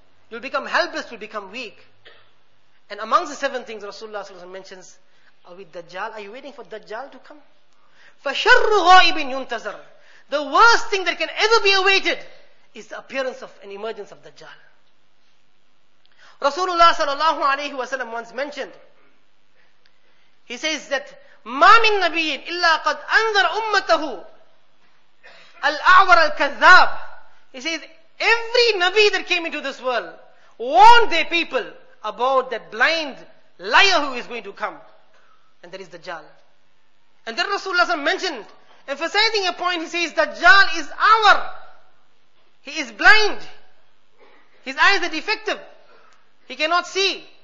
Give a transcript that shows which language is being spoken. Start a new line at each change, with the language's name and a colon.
English: You'll become helpless, you'll become weak. And amongst the seven things Rasulullah ﷺ mentions, are we Dajjal? Are you waiting for Dajjal to come?
Arabic: فَشَرُّ غَائِبٍ يُنْتَزَرُ.
English: The worst thing that can ever be awaited is the appearance of an emergence of Dajjal. Rasulullah ﷺ once mentioned, he says that,
Arabic: مَا مِن نَبِيٍ إِلَّا قَدْ أَنذَرَ أُمَّتَهُ الْأَعْوَرَ الْكَذَّابِ.
English: He says, every Nabi that came into this world warned their people about that blind liar who is going to come. And that is Dajjal. And then Rasulullah mentioned, emphasizing a point, he says, Dajjal is awar. He is blind. His eyes are defective. He cannot see.